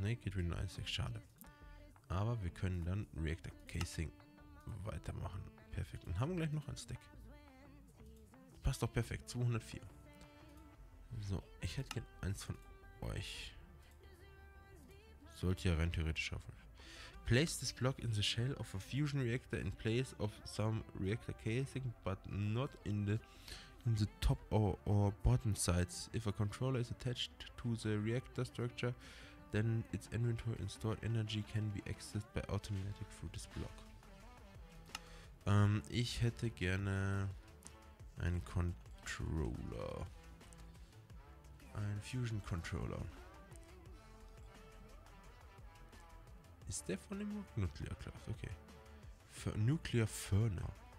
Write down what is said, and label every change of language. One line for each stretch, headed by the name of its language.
German: Ne, geht wieder nur ein Stack. Schade. Aber wir können dann Reactor Casing weitermachen. Perfekt. Und haben gleich noch ein Stack. Passt doch perfekt. 204. So, ich hätte gern eins von euch. Sollte ja rein theoretisch schaffen.
English: Place this block in the shell of a fusion reactor in place of some reactor casing, but not in the top or bottom sides. If a controller is attached to the reactor structure, then its inventory and stored energy can be accessed by automatic through this block.
German: Ich hätte gerne einen Controller. Ein Fusion Controller. Ist der von dem Nuclear Class? Okay. Nuclear Furnace.